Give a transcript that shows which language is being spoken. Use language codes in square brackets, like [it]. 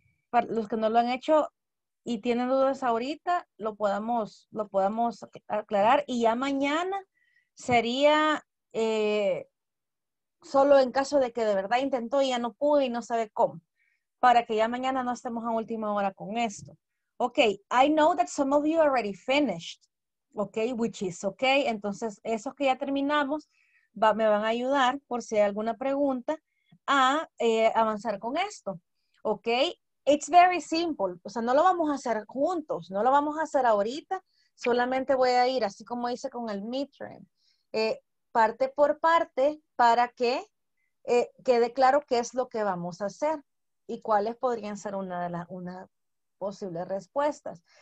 [es] Para los que no lo han hecho y tienen dudas ahorita, lo podamos aclarar. Y ya mañana sería solo en caso de que de verdad intentó y ya no pudo y no sabe cómo. Para que ya mañana no estemos a última hora con esto. [en] Ok, I know that some of you already finished. Ok, which is ok. [es] Entonces, esos que ya terminamos me van a ayudar, por si hay alguna pregunta, a avanzar con esto. Ok. [en] It's very simple. [es] O sea, no lo vamos a hacer juntos. No lo vamos a hacer ahorita. Solamente voy a ir, así como hice con el midterm, parte por parte para que quede claro qué es lo que vamos a hacer y cuáles podrían ser una posible respuestas.